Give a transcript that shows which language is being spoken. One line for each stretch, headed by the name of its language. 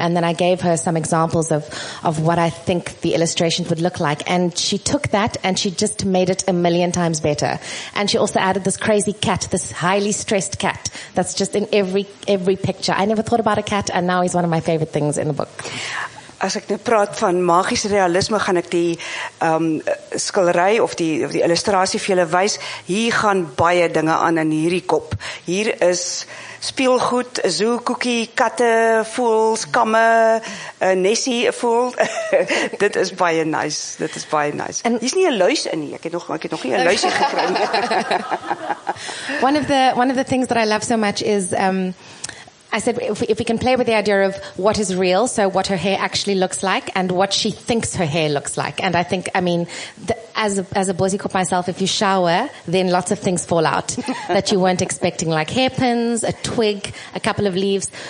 English: And then I gave her some examples of what I think the illustration would look like. And she took that and she just made it a million times better. And she also added this crazy cat, this highly stressed cat that's just in every picture. I never thought about a cat and now he's one of my favorite things in the book.
Afrikaans: As ek nou praat van magiese realisme, gaan ek die skildery of die illustrasie vir julle wys. Hier gaan baie dinge aan in hierdie kop. Hier is speelgoed, zoo, koekie, katte, voels, kamme, Nessie, voel. Dit is baie nice. Dit is baie nice. En hier is nie 'n luis in nie. Ek het nog nie 'n luisie gekry.
English: One of the things that I love so much is I said, if we can play with the idea of what is real, so what her hair actually looks like and what she thinks her hair looks like. And I think, I mean, as a bossiekop myself, if you shower, then lots of things fall out that you weren't expecting, like hairpins, a twig, a couple of leaves.